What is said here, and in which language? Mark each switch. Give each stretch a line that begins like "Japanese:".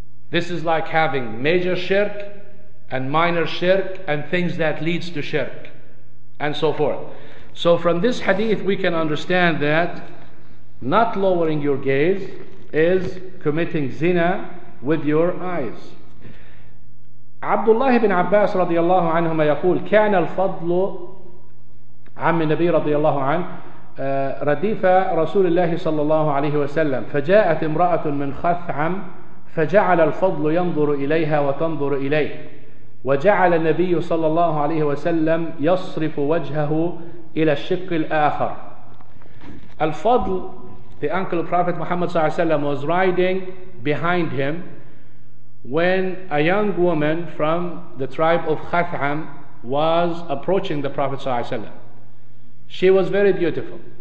English: This is like having major shirk and minor shirk and things that leads to shirk and so forth. So from this hadith we can understand that not lowering your gaze is committing zina with your eyes.
Arabic: Abdullah ibn Abbas radiallahu anhuma yaqul kana al-fadlu عم النبي رضي الله عنه رديف رسول الله صلى الله عليه وسلم فجاءت امرأة من خثعم فجعل الفضل ينظر إليها وتنظر إليه وجعل النبي صلى الله عليه وسلم يصرف وجهه إلى الشق الآخر.
English: الفضل, the uncle of Prophet Muhammad صلى الله عليه وسلم, was riding behind him when a young woman from the tribe of Khath'am was approaching the Prophet صلى الله عليه وسلم. She was very beautiful.